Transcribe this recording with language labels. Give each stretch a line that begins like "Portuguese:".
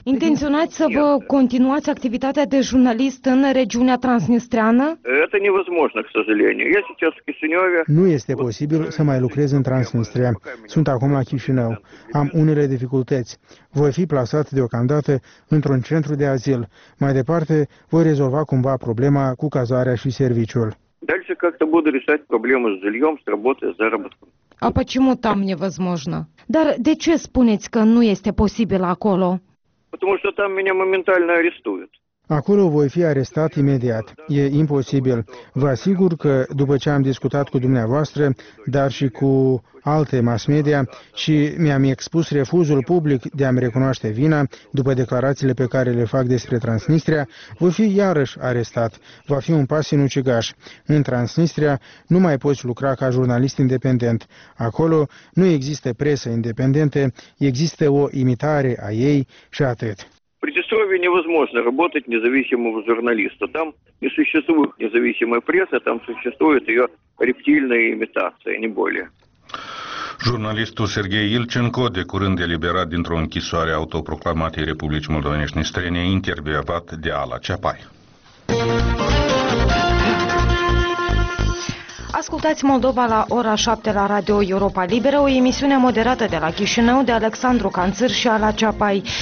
Russian: Интенционать, чтобы continuать активность этой журналиста на регионе Транснистряна? Это невозможно, к сожалению. Я сейчас в Кишиневе.
Romanian: Nu este posibil să mai lucrez în Transnistria. Sunt acum la Chișinău. Am unele dificultăți. Voi fi plasat deocamdată într-un centru de azil. Mai departe, voi rezolva cumva problema cu cazarea și serviciul.
Russian: Дальше как-то буду решать проблемы с жильем, с работой, с заработком. А почему там невозможно?
Romanian: Dar de ce spuneți că nu este posibil acolo?
Russian: Потому что там меня моментально арестуют.
Romanian: Acolo voi fi arestat imediat. E imposibil. Vă asigur că după ce am discutat cu dumneavoastră, dar și cu alte mass media și mi-am expus refuzul public de a-mi recunoaște vina după declarațiile pe care le fac despre Transnistria, voi fi iarăși arestat. Va fi un pas sinucigaș. În Transnistria nu mai poți lucra ca jurnalist independent. Acolo nu există presă independente, există o imitare a ei și atât.
Russian: Приднестровье невозможно работать независимому журналисту. Там не существует независимой прессы, там существует ее рептильная имитация, не более.
Romanian: Jurnalistul Serghei Ilcenco, de curând eliberat dintr-o închisoare autoproclamată Republicii Moldovenești Nistrene, intervievat de Ala Ceapai. Ascultați Moldova la ora 7 la Radio Europa Liberă, o emisiune moderată de la Chișinău, de Alexandru Canțâr și Ala Ceapai.